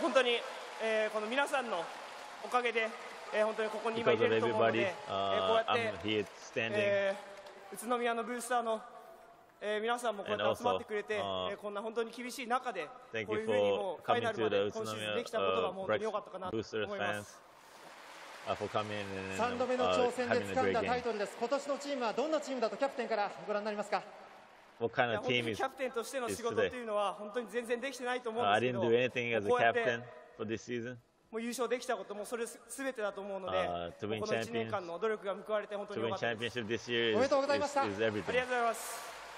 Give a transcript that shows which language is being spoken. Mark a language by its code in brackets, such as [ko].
[ja] 本当に、この皆さんのおかげで、本当にここに今いれると思うので、こうやって、宇都宮のブースターの、皆さんもこうやって集まってくれて、こんな本当に厳しい中でこういうふうにもうファイナルまで今シーズンできたことが本当に良かったかなと思います。 3 度目の挑戦で掴んだタイトルです。今年のチームはどんなチームだとキャプテンからご覧になりますか。 [en] What kind of team is this today? I didn't do anything as a captain for this season. [ja] もう優勝できたこともそれすべてだと思うので、この一年間の努力が報われて本当に良かったです。おめでとうございました。ありがとうございます。